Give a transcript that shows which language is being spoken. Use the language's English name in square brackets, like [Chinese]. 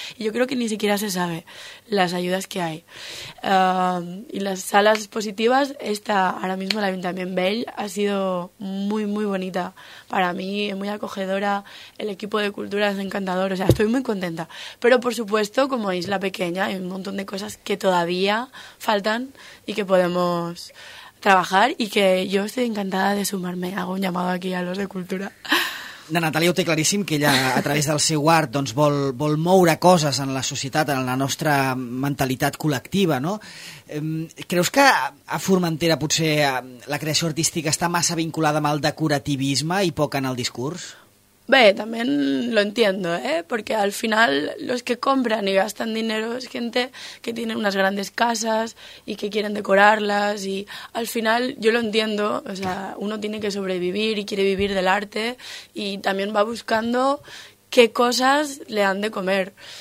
[Spanish] Y yo creo que ni siquiera se sabe las ayudas que hay. Y las salas expositivas, esta ahora mismo la Ayuntamiento Bell, ha sido muy, muy bonita para mí, muy acogedora. El equipo de cultura es encantador, o sea, estoy muy contenta. Pero por supuesto, como isla pequeña, hay un montón de cosas que todavía faltan y que podemos trabajar, y que yo estoy encantada de sumarme. Hago un llamado aquí a los de cultura. [Catalan] La Natàlia ho té claríssim, que ella a través del seu art doncs vol moure coses en la societat, en la nostra mentalitat col·lectiva, no? Creus que a Formentera potser la creació artística està massa vinculada amb el decorativisme i poc en el discurs? [Spanish] Ve, también lo entiendo, porque al final los que compran y gastan dinero es gente que tiene unas grandes casas y que quieren decorarlas, y al final yo lo entiendo, o sea, uno tiene que sobrevivir y quiere vivir del arte y también va buscando qué cosas le dan de comer.